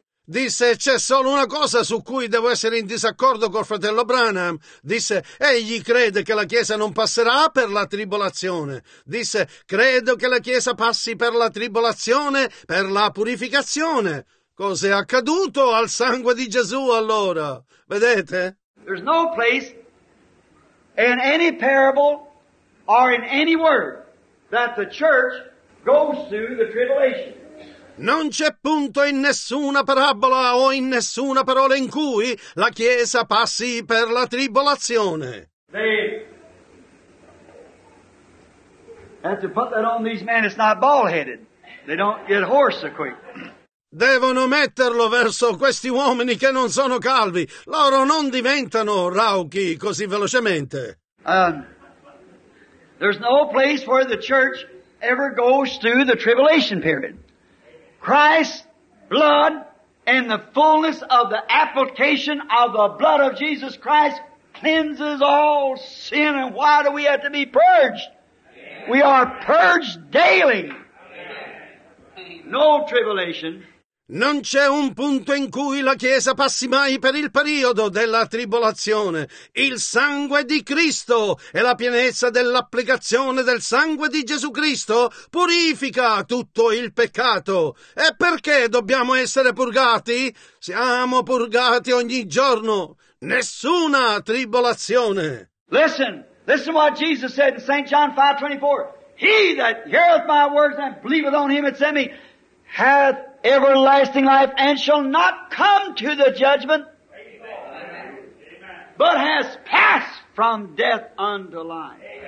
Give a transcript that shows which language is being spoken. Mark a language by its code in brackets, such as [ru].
[it] Disse, c'è solo una cosa su cui devo essere in disaccordo col fratello Branham. Disse, egli crede che la Chiesa non passerà per la tribolazione. Disse, credo che la Chiesa passi per la tribolazione, per la purificazione. Cos'è accaduto al sangue di Gesù allora? Vedete? [en] There's no place in any parable or in any word that the church goes through the tribulation. [it] Non c'è punto in nessuna parabola o in nessuna parola in cui la Chiesa passi per la tribolazione. [en] They have to put that on these men, it's not bald-headed. They don't get hoarse so quick. [it] Devono metterlo verso questi uomini che non sono calvi. Loro non diventano rauchi così velocemente. [en] There's no place where the church ever goes through the tribulation period. Christ's blood and the fullness of the application of the blood of Jesus Christ cleanses all sin. And why do we have to be purged? We are purged daily. No tribulation. [it] Non c'è un punto in cui la Chiesa passi mai per il periodo della tribolazione. Il sangue di Cristo e la pienezza dell'applicazione del sangue di Gesù Cristo purifica tutto il peccato. E perché dobbiamo essere purgati? Siamo purgati ogni giorno. Nessuna tribolazione. [en] Listen what Jesus said in St. John 5:24. He that heareth my words and believeth on him that sent me hath everlasting life, and shall not come to the judgment, but has passed from death unto life.